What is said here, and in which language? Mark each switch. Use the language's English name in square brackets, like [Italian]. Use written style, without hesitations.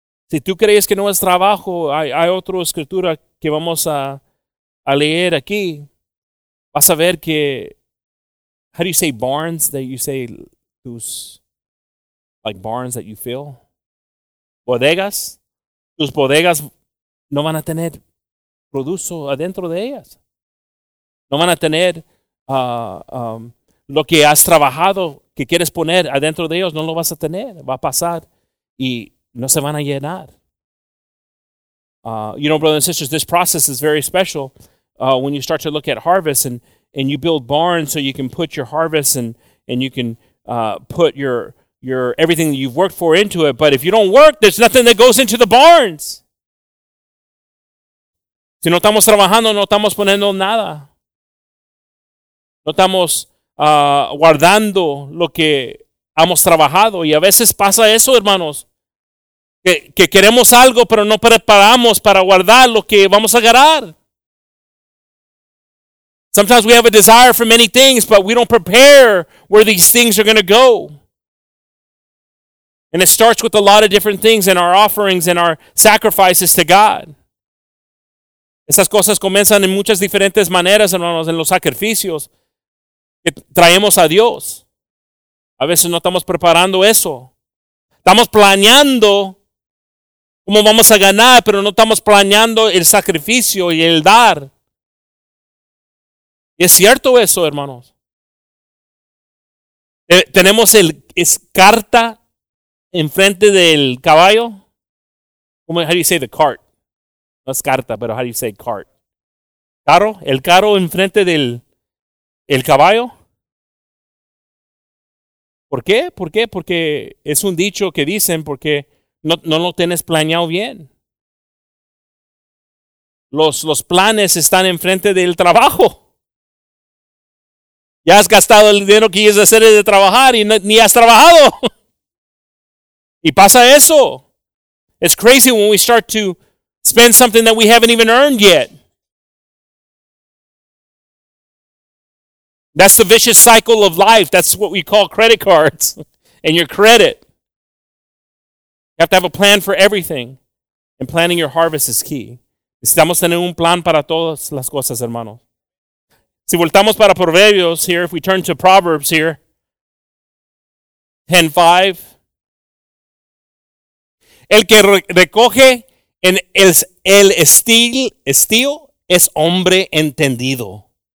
[Spanish] Si tú crees que no es trabajo, hay otra escritura que vamos a leer aquí. Vas a ver que, [English] how do you say barns that you say, tus, like barns that you fill? [Spanish] Bodegas. Tus bodegas no van a tener producto adentro de ellas. No van a tener lo que has trabajado, que quieres poner adentro de ellos, no lo vas a tener. Va a pasar y no se van a llenar. [English] You know, brothers and sisters, this process is very special when you start to look at harvest and you build barns so you can put your harvest and you can put your everything that you've worked for into it. But if you don't work, there's nothing that goes into the barns. [Spanish] Si no estamos trabajando, no estamos poniendo nada. No estamos guardando lo que hemos trabajado. Y a veces pasa eso, hermanos. Que queremos algo, pero no preparamos para guardar lo que vamos a ganar. [English] Sometimes we have a desire for many things, but we don't prepare where these things are going to go. And it starts with a lot of different things in our offerings and our sacrifices to God. [Spanish] Esas cosas comienzan en muchas diferentes maneras, hermanos, en los sacrificios que traemos a Dios. A veces no estamos preparando eso. Estamos planeando cómo vamos a ganar, pero no estamos planeando el sacrificio y el dar. Y es cierto eso, hermanos. Tenemos el es carta enfrente del caballo. ¿Cómo [English] how do you say the cart? [Spanish] No es carta, pero [English] how do you say cart? [Spanish] Carro, el carro enfrente del el caballo. ¿Por qué? ¿Por qué? Porque es un dicho que dicen porque no lo tienes planeado bien. Los planes están enfrente del trabajo. Ya has gastado el dinero que quieres hacer de trabajar y no, ni has trabajado. Y pasa eso. [English] It's crazy when we start to spend something that we haven't even earned yet. That's the vicious cycle of life. That's what we call credit cards and your credit. You have to have a plan for everything. And planning your harvest is key. [Spanish] Necesitamos tener un plan para todas las cosas, hermanos. Si voltamos para Proverbios [English] here, if we turn to Proverbs here, [Spanish] 10:5. El que recoge en el estío es hombre entendido.